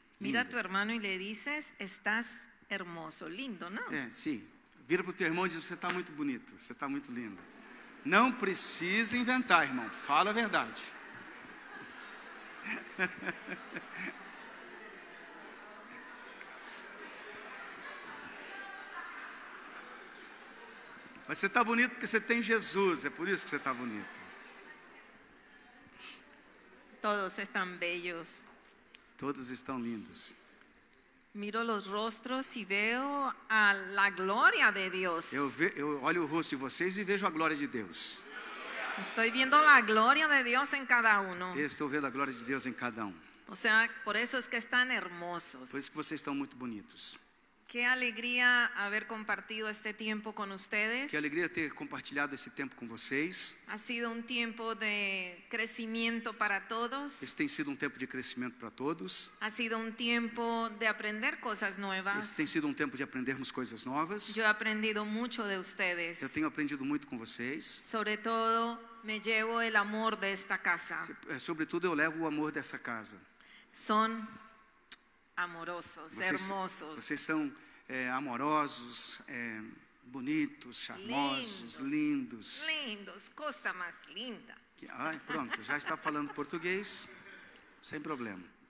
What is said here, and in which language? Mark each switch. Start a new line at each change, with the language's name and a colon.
Spanish: Mira a tu hermano y le dices, estás hermoso. Lindo, ¿no? Sí.
Portuguese: Vira para
Spanish: tu hermano y dice,
Portuguese: você está muy bonito, você está muy linda. No precisa inventar, hermano. Fala a verdad. Mas você está bonito porque você tem Jesus, é por isso que você está bonito. Todos estão bellos. Todos estão lindos.
Spanish: Miro
Portuguese: os rostos e
Spanish: veo
Portuguese: a glória de Deus. Eu olho o rosto de vocês e vejo a glória de Deus. Estou vendo a glória de Deus em cada um. Estou vendo a glória de Deus em cada um. Ou seja, por isso é que estão hermosos. Por isso que vocês estão muito bonitos.
Spanish: Qué alegría haber compartido este tiempo con ustedes.
Portuguese: Qué alegría ter compartilhado esse tempo com vocês.
Spanish: Ha sido un tiempo de crecimiento para todos.
Portuguese: Este tem sido tempo de crescimento para todos.
Spanish: Ha sido un tiempo de aprender cosas nuevas.
Portuguese: Este tem sido tempo de aprendermos coisas novas.
Spanish: Yo he aprendido mucho de ustedes.
Portuguese: Eu tenho aprendido muito com vocês.
Spanish: Sobre todo me llevo el amor de esta casa.
Portuguese: Sobretudo eu levo o amor dessa casa.
Spanish: Son amorosos, hermosos.
Portuguese: Vocês são amorosos, bonitos, charmosos, lindos. Lindos, coisa mais linda. Ai, pronto, já está falando português, sem problema.